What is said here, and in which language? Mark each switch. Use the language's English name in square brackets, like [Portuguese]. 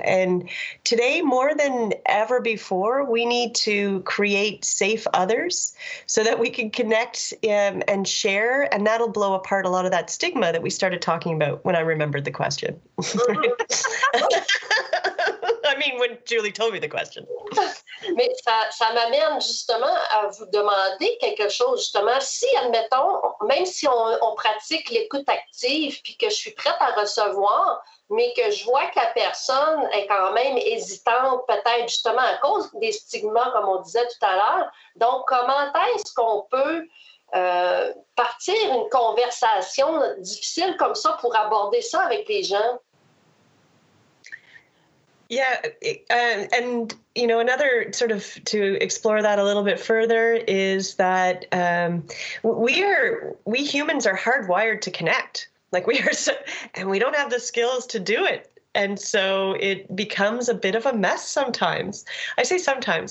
[English] And today, more than ever before, we need to create safe others so that we can connect and share. And that'll blow apart a lot of that stigma that we started talking about when I remembered the question. I mean, when Julie told me the question. [French] Mais ça m'amène justement à vous demander quelque chose, justement. Si, admettons, même si on pratique l'écoute active puis que je suis prête à recevoir, mais que je vois que la personne est quand même hésitante, peut-être justement à cause des stigmas, comme on disait tout à l'heure. Donc, comment est-ce qu'on peut partir une conversation difficile comme ça pour aborder ça avec les gens? [English] Yeah, and you know, another sort of to explore that a little bit further is that we humans are hardwired to connect. Like we are, so, and we don't have the skills to do it. And so it becomes a bit of a mess sometimes. I say sometimes.